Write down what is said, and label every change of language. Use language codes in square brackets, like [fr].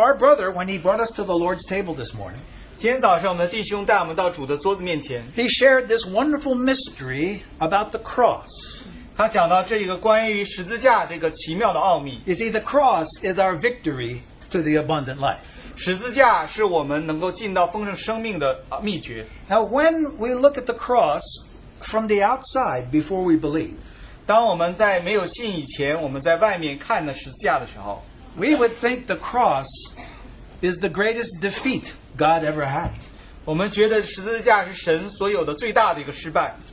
[en] our brother, when he brought us to the Lord's table this morning, [zh] 今天早上我们的弟兄带我们到主的桌子面前, [en] he shared this wonderful mystery about the cross. [zh] 他讲到这一个关于十字架这个奇妙的奥秘。 [en] You see, the cross is our victory to the abundant life. [zh] 十字架是我们能够进到丰盛生命的秘诀。 [en] Now when we look at the cross from the outside before we believe, [zh] 当我们在没有信以前,我们在外面看的十字架的时候, [en] we would think the cross is the greatest defeat God ever had. [zh] 我们觉得十字架是神所有的最大的一个失败。